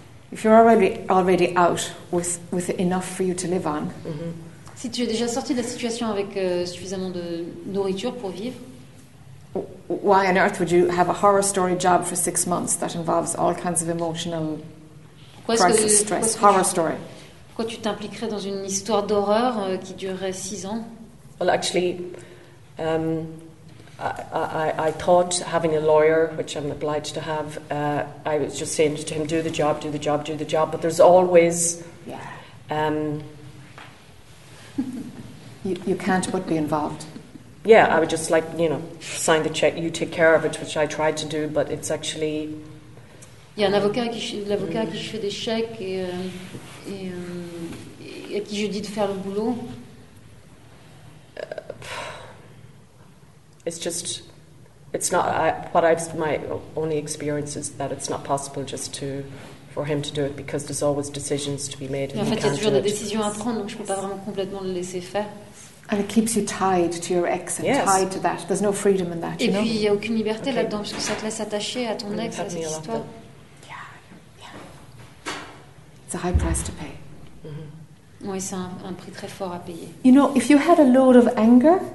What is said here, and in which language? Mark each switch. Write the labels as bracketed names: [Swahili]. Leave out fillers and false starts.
[English] If you're already out with enough for you to live on. Mm-hmm. [French] Si tu es déjà sorti de la situation avec suffisamment de nourriture pour vivre. [English] Why on earth would you have a horror story job for 6 months that involves all kinds of emotional crisis of stress? Horror story. [French] Pourquoi tu t'impliquerais dans une histoire d'horreur qui durerait 6 ans? [English] Well, actually, I thought having a lawyer, which I'm obliged to have, I was just saying to him, do the job. But there's always... Yeah. You can't but be involved. Yeah, I would just like, you know, sign the check, you take care of it, which I tried to do, but it's actually... [French] Il y a un avocat qui fait des chèques et... Et à qui je dis de faire le boulot. [English] It's not my only experience is that it's not possible just to for him to do it because there's always decisions to be made. [French] En fait, il y a toujours des décisions à prendre, donc je ne peux pas vraiment complètement le laisser faire. [English] And it keeps you tied to your ex and yes. tied to that. There's no freedom in that. [French] Et [English] you [French] puis il n'y a aucune liberté okay. là-dedans parce que ça te laisse attaché à ton ex, à cette histoire. [English] It's a high price to pay. Mm-hmm. [French] Oui, c'est un prix très fort à payer. [English] You know, if you had a load of anger,